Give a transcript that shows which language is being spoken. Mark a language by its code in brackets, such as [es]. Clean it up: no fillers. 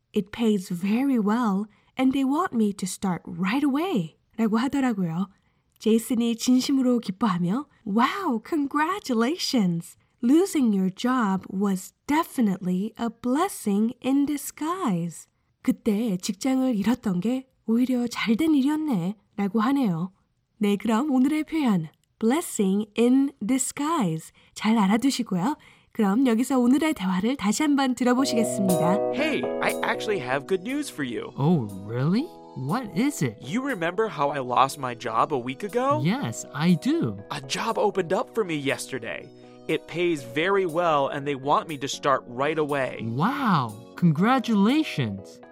[en] It pays very well and they want me to start right away. [ko] 라고 하더라고요. 제이슨이 진심으로 기뻐하며 [en] Wow, congratulations! Losing your job was definitely a blessing in disguise. [ko] 그때 직장을 잃었던 게 오히려 잘된 일이었네 라고 하네요. 네, 그럼 오늘의 표현 [en] Blessing in disguise [ko] 잘 알아두시고요. 그럼 여기서 오늘의 대화를 다시 한번 들어보시겠습니다. [en] Hey, I actually have good news for you. Oh, really? What is it? You remember how I lost my job a week ago? Yes, I do. A job opened up for me yesterday. It pays very well and they want me to start right away. Wow, congratulations.